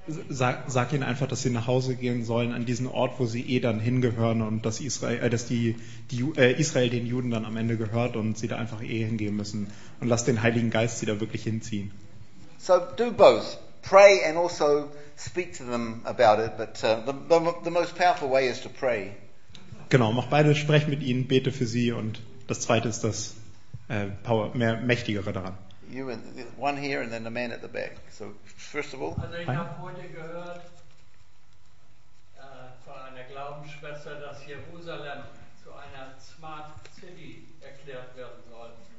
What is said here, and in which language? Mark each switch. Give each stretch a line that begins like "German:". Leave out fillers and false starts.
German: Sag ihnen einfach, dass sie nach Hause gehen sollen an diesen Ort, wo sie dann hingehören und dass Israel, Israel den Juden dann am Ende gehört und sie da einfach hingehen müssen und lass den Heiligen Geist sie da wirklich hinziehen.
English: So do both, pray and also speak to them about it. But the most powerful way is to pray.
German: Genau, mach beides, sprech mit ihnen, bete für sie und das Zweite ist das Power, mehr Mächtigere daran.
English: you and one here and then the man at the back. So first of all,
German: also ich habe heute gehört von einer Glaubensschwester, dass Jerusalem zu einer Smart City erklärt werden soll.